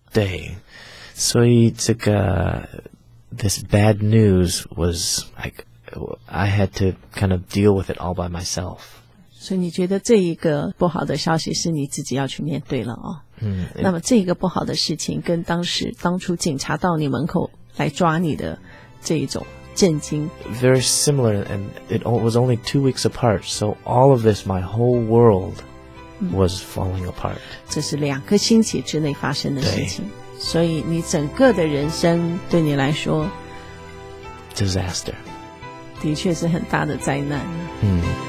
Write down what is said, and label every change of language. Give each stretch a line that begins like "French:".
Chinese: 对，所以这个
English: this bad news was like I had to kind of deal with it all by myself。
Chinese: 所以你觉得这一个不好的消息是你自己要去面对了哦。嗯，那么这个不好的事情跟当初警察到你门口来抓你的这一种震惊
English: very similar, and it was only 2 weeks apart, so all of this, my whole world was falling apart.
Chinese: 这是两个星期之内发生的事情，所以你整个的人生对你来说
English: disaster
Chinese: 的确是很大的灾难。嗯，